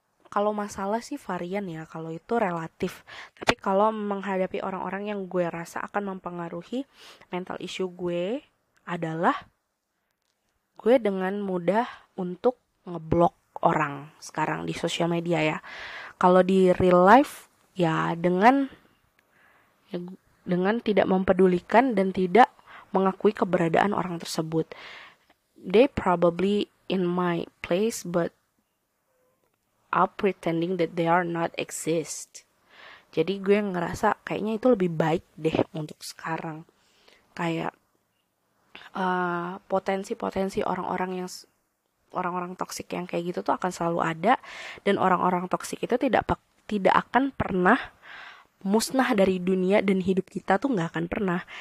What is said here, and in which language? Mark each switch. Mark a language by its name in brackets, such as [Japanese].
[Indonesian] Kalau masalah sih varian ya, kalau itu relatif. Tapi kalau menghadapi orang-orang yang gue rasa akan mempengaruhi mental issue gue adalah gue dengan mudah untuk ngeblok orang sekarang di sosial media ya. Kalau di real life ya dengan tidak mempedulikan dan tidak mengakui keberadaan orang tersebut. [English] They probably in my place but are pretending that they are not exist. [Indonesian] Jadi gue ngerasa kayaknya itu lebih baik deh untuk sekarang. Kayak potensi-potensi orang-orang toksik yang kayak gitu tuh akan selalu ada, dan orang-orang toksik itu tidak akan pernah musnah dari dunia dan hidup kita tuh nggak akan pernah.